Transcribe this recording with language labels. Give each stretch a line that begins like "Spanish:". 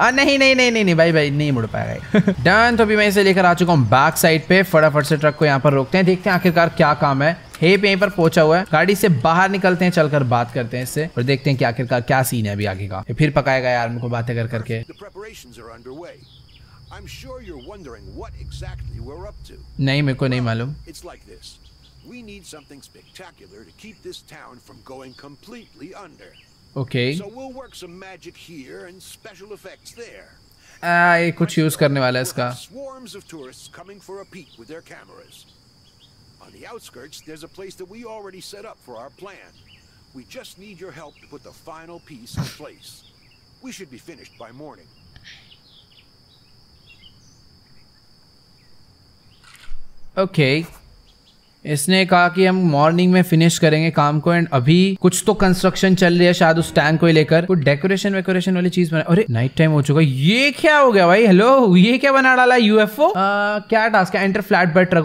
Hindi: नहीं मुड़ पाएगा। डन। तो अभी मैं इसे लेकर आ चुका हूँ बैक साइड पे। फटाफट से ट्रक को यहाँ पर रोकते हैं, देखते हैं आखिरकार क्या काम है। हेप यहीं पर पहुंचा हुआ है, गाड़ी से बाहर निकलते हैं, चलकर बात करते हैं इससे और देखते हैं कि आखिरकार क्या सीन है अभी आगे का। फिर पकाएगा यार मुझको बातें कर करके।
English: I'm sure you're wondering what exactly we're up to.
Hindi: नहीं, मेरे को नहीं मालूम।
English: It's like this. We need something spectacular to keep this town from going completely under. Okay. So we'll work some magic here and special effects there.
Hindi: ये कुछ use करने वाला है इसका।
English: Swarms of tourists coming for a peek with their cameras. On the outskirts there's a place that we already set up for our plan. We just need your help to put the final piece in place. We should be finished by morning.
Hindi: Okay इसने कहा कि हम morning में finish करेंगे काम को। And अभी कुछ तो कंस्ट्रक्शन चल रही है शायद उस टैंक को लेकर, कुछ डेकोरेशन वेकोरेशन वाली चीज बना। अरे नाइट टाइम हो चुका, ये क्या हो गया भाई? हेलो, ये क्या बना डाला? यूएफओ? क्या टास्क है? Enter flat bed truck.